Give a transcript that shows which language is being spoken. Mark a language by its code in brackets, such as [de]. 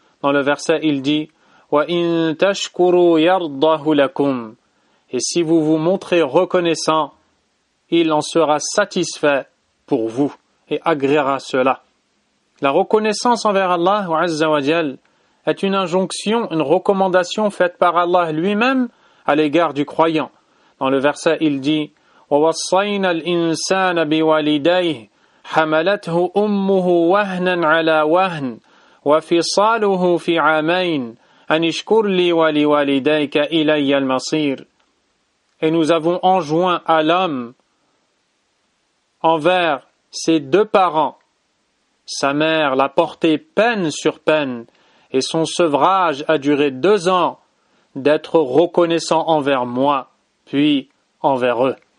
[fr] Dans le verset, il dit: [ar] wa in tashkuru yardahu lakum. [fr] Et si vous vous montrez reconnaissant, il en sera satisfait pour vous et agréera cela. La reconnaissance envers Allah Azza wa Jal est une injonction, une recommandation faite par Allah lui-même à l'égard du croyant. [ar] Dans le verset, il dit وَوَصَّيْنَا الْإِنسَانَ بِوَالِدَيْهِ حَمَلَتْهُ أُمُّهُ وَهْنًا عَلَى وَهْنٍ وَفِصَالُهُ فِي عَامَيْنِ أَنِ اشْكُرْ لِي وَلِوَالِدَيْكَ إِلَيَّ الْمَصِيرُ. [fr] Et nous avons enjoint à l'homme envers ses deux parents. Sa mère l'a porté peine sur peine et son sevrage a duré 2 ans d'être reconnaissant envers moi, puis envers eux.